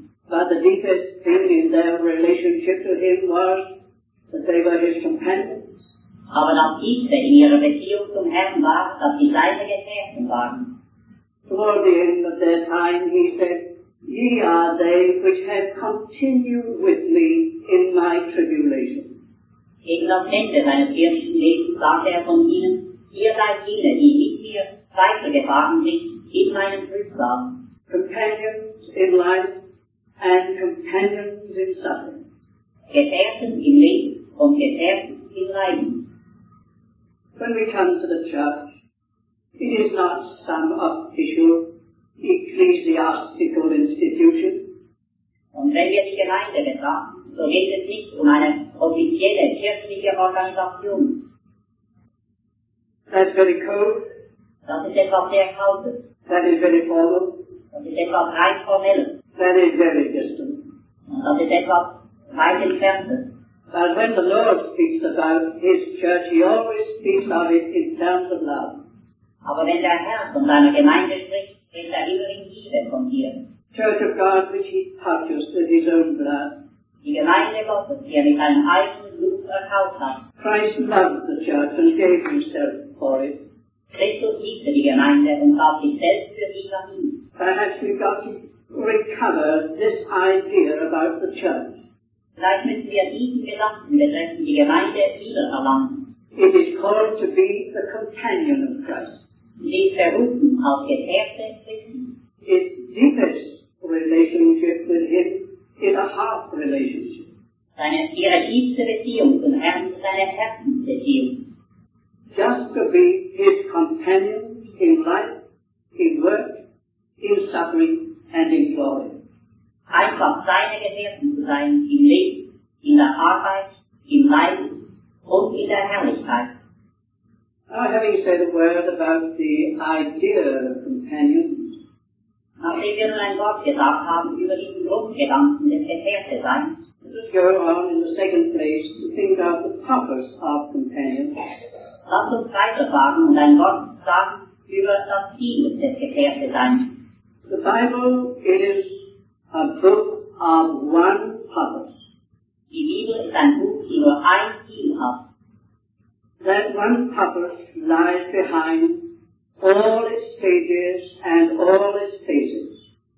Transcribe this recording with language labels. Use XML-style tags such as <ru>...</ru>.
<en>But the deepest thing in their relationship to him was that they were his companions.</en> <de>Aber das Tiefste in ihrer Beziehung zum Herrn war, dass sie seine Gefährten waren.</de> <en>Toward the end of their time, he said, ye are they which have continued with me in my tribulation.</en> <de>Gegen das Ende seines irdischen Lebens sagte er von ihnen, ihr seid jene, die mit mir weitergefahren sind in meinem Trübsal.</de> <en>Companions in life and companions in suffering.</en> <de>Gefährten im Leben und Gefährten im Leiden.</de> <en>When we come to the church, it is not some official ecclesiastical institution.</en> <de>Und wenn wir die Gemeinde betrachten, so geht es nicht um eine offizielle kirchliche Organisation.</de> <en>That's very cold.</en> <de>Das ist etwas sehr Kaltes.</de> <en>That is very formal.</en> <de>Das ist etwas rein Formelles.</de> <en>That is very distant.</en> <de>Und das ist etwas weit entferntes.</de> <en>But when the Lord speaks about his church, he always speaks of it in terms of love.</en> <de>Aber wenn der Herr von seiner Gemeinde spricht, ist er immer in Liebe von dir.</de> <en>Church of God, which he purchased with his own blood.</en> <de>Die Gemeinde Gottes, die er mit seinem eigenen Blut erkauft hat.</de> <en>Christ loved the church and gave himself for it.</en> <de>Christus liebte die Gemeinde und gab sich selbst für sie dahin.</de> <en>Perhaps we've got to recover this idea about the church.</en> <de>Vielleicht müssen wir diesen Gedanken betreffen, die Gemeinde wieder erlangen.</de> <en>It is called to be the companion of Christ.</en> <de>Sie ist berufen als Gefährte Christi.</de> <en>Its deepest relationship with him is a heart relationship.</en> <de>Ihre tiefste Beziehung zum Herrn ist eine Herzensbeziehung.</de> <en>Just to be his companion in life, in work, in suffering and in glory.</en> <de>Einfach seine Gefährten zu sein im Leben, in der Arbeit, im Leiden und in der Herrlichkeit.</de> <en>Now, having said a word about the idea of companions,</en> <de>nachdem wir nun ein Wort gesagt haben über diesen Grundgedanken des Gefährten seins,</de> <en>let us go on in the second place to think of the purpose of companions.</en> <de>Lass uns weiterfahren und ein Wort sagen über das Ziel des Gefährten seins.</de> <en>The Bible is a book of one purpose.</en> <de>Die Bibel ist ein Buch, die nur ein Ziel hat.</de> <en>That one purpose lies behind all its pages and all its phases.</en>